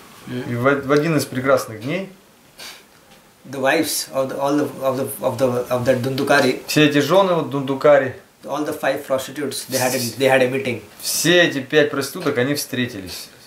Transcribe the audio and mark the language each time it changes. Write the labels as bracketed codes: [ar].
[ru] И в один из прекрасных дней. [en] The wives of the, all of the Dundukari. [ru] Все эти жены вот Дундукари. [en] All the five prostitutes they had a meeting. [ru] Все эти пять проституток они встретились.